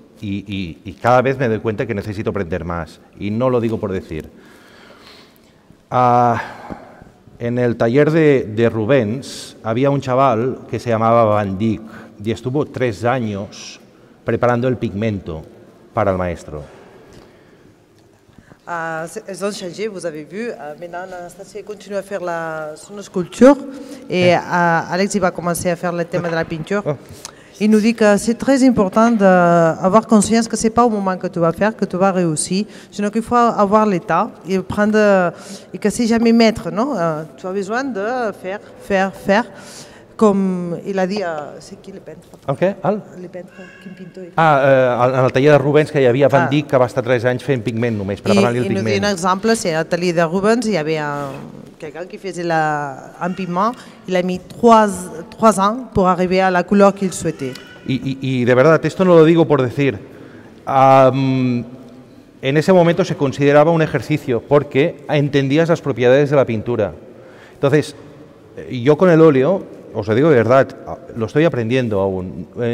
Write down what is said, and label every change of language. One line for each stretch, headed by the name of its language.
Spanish: Y cada vez me doy cuenta que necesito aprender más. Y no lo digo por decir. En el taller de Rubens había un chaval que se llamaba Van Dyck y estuvo 3 años preparando el pigmento para el maestro.
French: Ils ont changé, vous avez vu. Maintenant, Anastasia continue à faire son sculpture et Alex va commencer à faire le thème de la peinture. Il nous dit que c'est très important d'avoir conscience que ce n'est pas au moment que tu vas faire que tu vas réussir, sinon qu'il faut avoir l'état et prendre. Et que c'est jamais maître, non? Tu as besoin de faire. Comme il a dit, c'est qui le peintre? En quoi? Le peintre,
Catalan: quin pintor?
Spanish: En el taller de
Catalan: Rubens, que hi havia Van Dyck, que va estar 3 anys fent pigment només, preparant-li el pigment. I un exemple, si al taller de Rubens hi havia
French: quelqu'un qui faisait un pigment, il a mis 3 ans pour arriver à la couleur qu'il souhaitait.
Spanish: Y de verdad, esto no lo digo por decir. En ese momento se consideraba un ejercicio, porque entendías las propiedades de la pintura. Entonces, yo con el óleo, os lo digo de verdad, lo estoy aprendiendo aún.